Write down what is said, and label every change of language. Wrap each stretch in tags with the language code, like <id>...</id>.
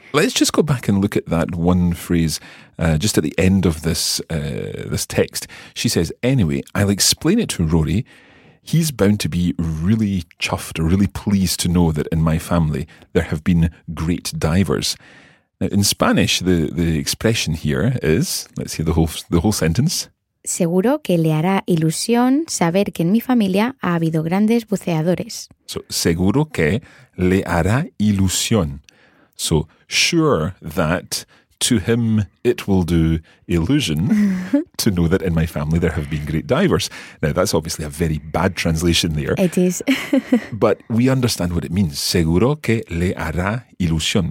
<en>Let's just go back and look at that one phrase just at the end of this text. She says, anyway, I'll explain it to Rory. He's bound to be really chuffed, really pleased to know that in my family there have been great divers. Now, in Spanish, the expression here is, let's hear the whole sentence.</en> <es>Seguro que le hará ilusión saber que en mi familia ha habido grandes buceadores. So, seguro que le hará ilusión.</es> <en>So, sure that to him it will do illusion to know that in my family there have been great divers. Now, that's obviously a very bad translation there. It is. But we understand what it means.</en> <es>Seguro que le hará ilusión.</es>